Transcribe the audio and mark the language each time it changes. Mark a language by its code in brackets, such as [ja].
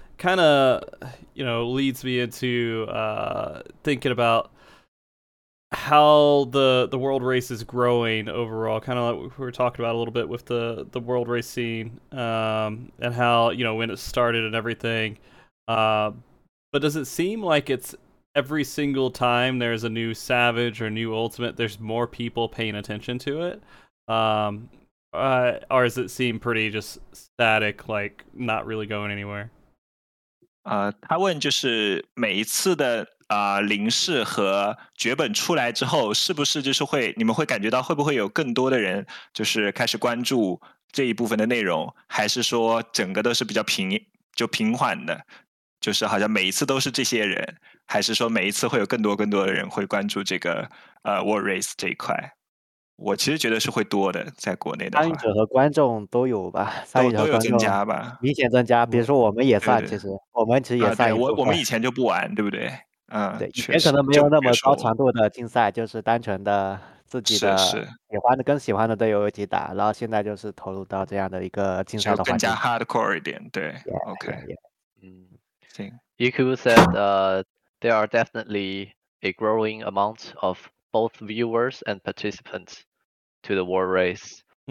[en] kind of, you know, leads me into thinking about how the world race is growing overall, kind of like we were talking about a little bit with the world race scene, and how, you know, when it started and everything. But does it seem like it's every single time there's a new Savage or new Ultimate, there's more people paying attention to it? Or does it seem pretty just static, like not really going anywhere? [zh] 他问就是每一次的零式和绝本出来之后，是不是就是会你们会感觉到会不会有更多的人就是开始关注这一部分的内容，还是说整个都是比较平就平缓的，就是好像每一次都是这些人，还是说每一次会有更多更多的人会关注这个World Race 这一块？我其实觉得是会多的，在国内的参与者和观众都有吧，参与者和观众都有增加吧，明显增加。比如说我们也算，其实我们其实也算。我们以前就不玩，对不对？对，以前可能没有那么高强度的竞赛，就是单纯的自己的喜欢的跟喜欢的队友一起打，然后现在就是投入到这样的一个竞赛的环境，更加 hardcore 一点。对 [en] yeah, ，OK， yeah, yeah. [zh] 行。 [en] Yuku said, there are definitely a growing amount of both viewers and participants to the world race.